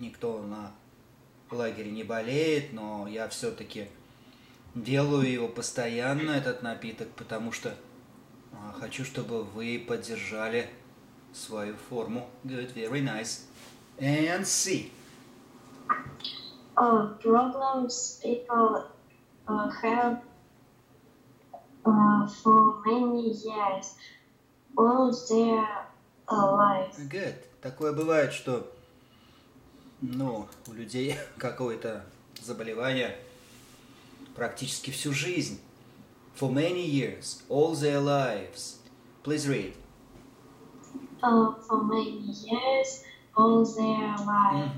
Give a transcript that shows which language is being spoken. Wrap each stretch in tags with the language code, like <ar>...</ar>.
<ru>Никто на лагере не болеет, но я все-таки делаю его постоянно, этот напиток, потому что хочу, чтобы вы поддержали свою форму.</ru> <en>Good, very nice. And see. Problems people have for many years, all their life. Good.</en> <ru>Такое бывает, что, ну, у людей какое-то заболевание практически всю жизнь.</ru> <en>For many years, all their lives. Please read. For many years, all their lives.</en>